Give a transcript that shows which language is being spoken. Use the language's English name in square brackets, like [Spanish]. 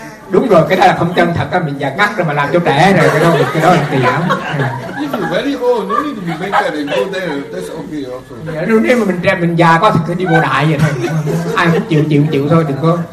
[Vietnamese] Đúng rồi, cái đó là không chân thật đó, mình già ngắt rồi mà làm cho trẻ rồi, cái đó là tiền. [English] You're very old, no need to be make that and go there, that's okay also. [Vietnamese] Nếu mà mình già quá thì cứ đi bộ đại vậy thôi. Ai cũng chịu thôi, đừng có.